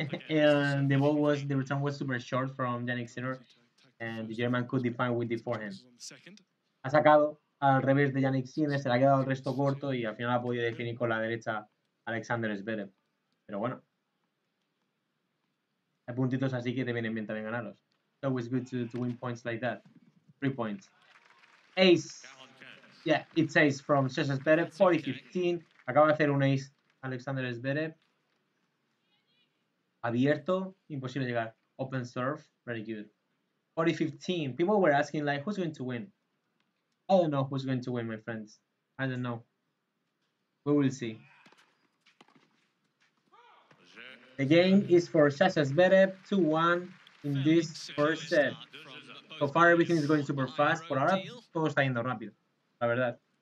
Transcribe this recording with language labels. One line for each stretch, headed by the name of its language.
English: And the ball was, the return was super short from Jannik Sinner, and the German could define with the forehand.
Spanish: Ha sacado al revés de Jannik Sinner, se le ha quedado el resto corto y al final ha podido definir con la derecha Alexander Zverev. Pero bueno, hay puntitos así que te vienen bien también ganarlos.
English: It's always good to win points like that. 3 points. Ace. Yeah, it's ace from Sasha Zverev. 40-15.
Spanish: Acaba de hacer un ace Alexander Zverev. Abierto, imposible llegar.
English: Open serve, very good. 40-15. People were asking, like, who's going to win? I don't know who's going to win, my friends. I don't know. We will see. The game is for Sasha Zverev, 2-1 in this first set. So far, everything is going super fast.
Spanish: Por ahora, todo está yendo rápido, la verdad.